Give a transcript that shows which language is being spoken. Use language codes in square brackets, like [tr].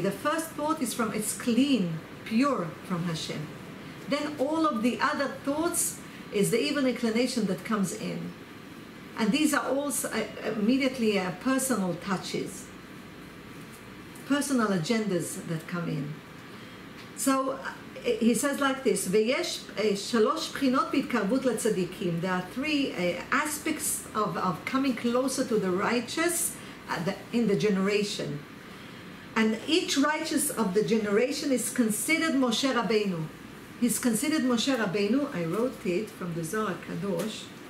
[en] The first thought is from, it's clean, pure from Hashem. Then all of the other thoughts is the evil inclination that comes in. And these are also immediately personal touches, personal agendas that come in. So he says like this, [he] ויש שלוש בחינות בהתקרבות לצדיקים. [en] There are three aspects of coming closer to the righteous in the generation. And each righteous of the generation is considered Moshe Rabbeinu. He's considered Moshe Rabbeinu. I wrote it from the Zohar Kadosh.